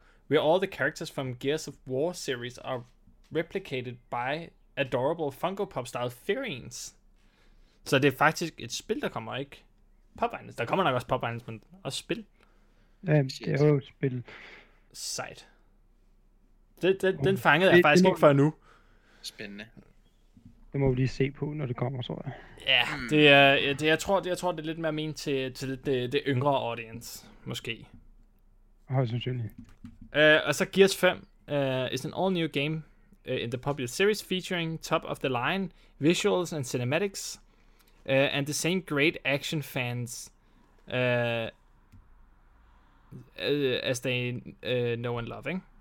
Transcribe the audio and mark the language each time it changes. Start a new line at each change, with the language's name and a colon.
English: Where all the characters from Gears of War series are replicated by adorable Funko Pop-style figurines.
Danish: Så det er faktisk et spil, der kommer, ikke? Pop-vines. Der kommer nok også pop-vines, men også spil. Det er jo et spil. Sejt. Den fangede jeg faktisk ikke før nu. Spændende. Det må vi lige se på, når det kommer, tror jeg. Ja, jeg tror, det er lidt mere ment til det yngre audience, måske. Højst sandsynligt. Og så
English: Gears 5 is an all-new game in the popular series featuring top-of-the-line visuals and cinematics and the same great action fans as they know and love,
Danish: ikke?